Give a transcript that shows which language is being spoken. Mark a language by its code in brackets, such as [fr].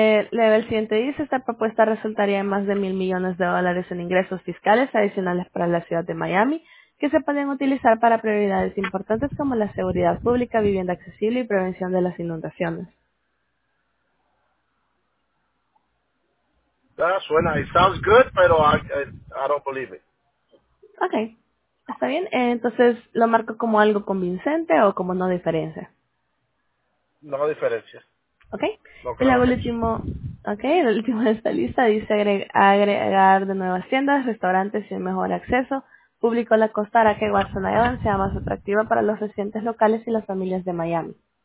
[es] Luego el siguiente dice, esta propuesta resultaría en más de $1,000 millones en ingresos fiscales adicionales para la ciudad de Miami, que se pueden utilizar para prioridades importantes como la seguridad pública, vivienda accesible y prevención de las inundaciones. [en] That [es] suena, [en] it sounds good, [es] pero [en] I don't believe it. [es] Ok, está bien. Entonces, ¿lo marco como algo convincente o como no diferencia? No diferencia. Ok. No, claro. Y luego el último de esta lista dice agregar de nuevas tiendas, restaurantes y un mejor acceso público en la costa hará que Watson Island sea más atractiva para los residentes locales y las familias de Miami.